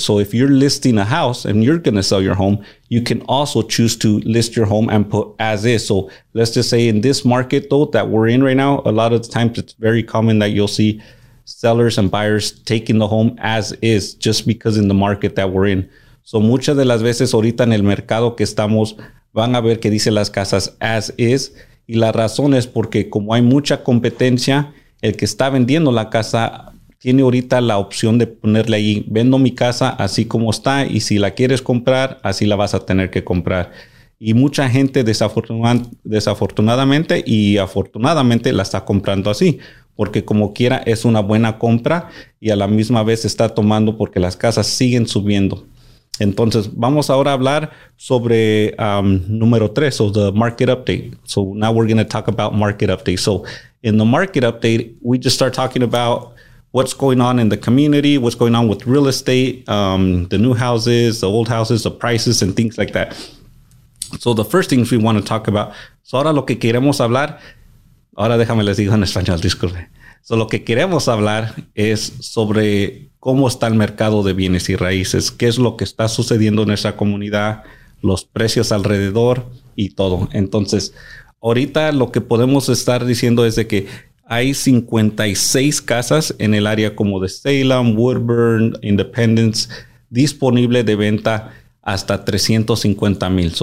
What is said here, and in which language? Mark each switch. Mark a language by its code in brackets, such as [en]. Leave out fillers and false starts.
[en] So if you're listing a house and you're going to sell your home, you can also choose to list your home and put as is. So let's just say in this market, though, that we're in right now, a lot of the times it's very common that you'll see sellers and buyers taking the home as is just because in the market that we're in. [es] So muchas de las veces ahorita en el mercado que estamos van a ver que dice las casas as is. Y la razón es porque como hay mucha competencia, el que está vendiendo la casa tiene ahorita la opción de ponerle ahí, vendo mi casa así como está y si la quieres comprar, así la vas a tener que comprar. Y mucha gente desafortunadamente y afortunadamente la está comprando así, porque como quiera es una buena compra y a la misma vez está tomando porque las casas siguen subiendo. Entonces vamos ahora a hablar sobre número 3, [en] so the market update. So now we're going to talk about market update. So in the market update, we just start talking about what's going on in the community, what's going on with real estate, the new houses, the old houses, the prices, and things like that. So the first things we want to talk about. [es] So ahora lo que queremos hablar, ahora déjame les digo en español, disculpe. So lo que queremos hablar es sobre cómo está el mercado de bienes y raíces, qué es lo que está sucediendo en esa comunidad, los precios alrededor y todo. Entonces, ahorita lo que podemos estar diciendo es de que hay 56 casas en el área como de Salem, Woodburn, Independence, disponible de venta hasta $350,000.